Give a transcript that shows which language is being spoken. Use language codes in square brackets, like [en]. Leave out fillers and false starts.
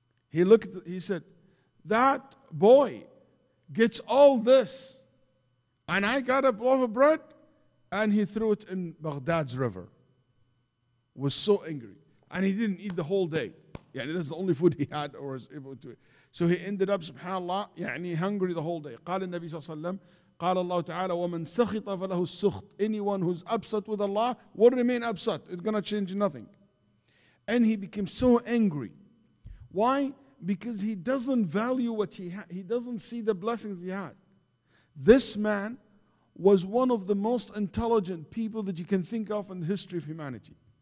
[en] He said, that boy gets all this, and I got a loaf of bread, and he threw it in Baghdad's river. Was so angry, and he didn't eat the whole day. يعني this is the only food he had or was able to eat. So he ended up, subhanAllah, يعني hungry the whole day. [ar] قال النبي صلى الله عليه وسلم, قال الله تعالى, وَمَنْ سَخِطَ فَلَهُ السُّخْطِ [en] Anyone who's upset with Allah will remain upset. It's going to change nothing. And he became so angry. Why? Because he doesn't value what he had. He doesn't see the blessings he had. This man was one of the most intelligent people that you can think of in the history of humanity.